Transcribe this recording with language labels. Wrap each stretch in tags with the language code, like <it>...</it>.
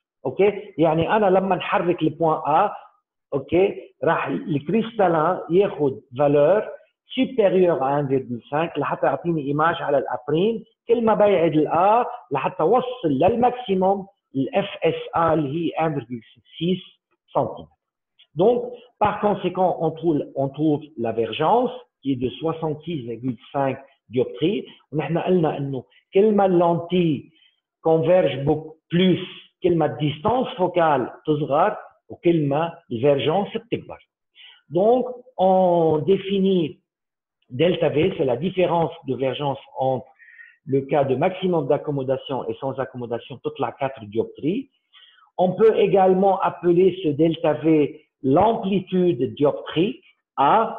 <fr>OK? Il y a le point A. OK? Le cristallin y a une valeur supérieure à 1,5. Il y a une image à la prime.</fr> <ar>كل ما بعيد الـ A لحتى وصل للماكسيموم الـ FSA اللي هي 1,6 سنتيمتر.</ar> <fr>Donc, par conséquent, on trouve la vergence qui est de 66,5 dioptries.</fr> <ar>ونحن قلنا انه كل ما اللانتي</ar> <fr>converge beaucoup plus,</fr> <ar>كل ما distance focale تصغر وكل ما الفيرجانس بتكبر.</ar> <fr>Donc, on définit delta V, c'est la différence de vergence entre le cas de maximum d'accommodation et sans accommodation, toute la 4 dioptrie. On peut également appeler ce delta V l'amplitude dioptrique A.</fr>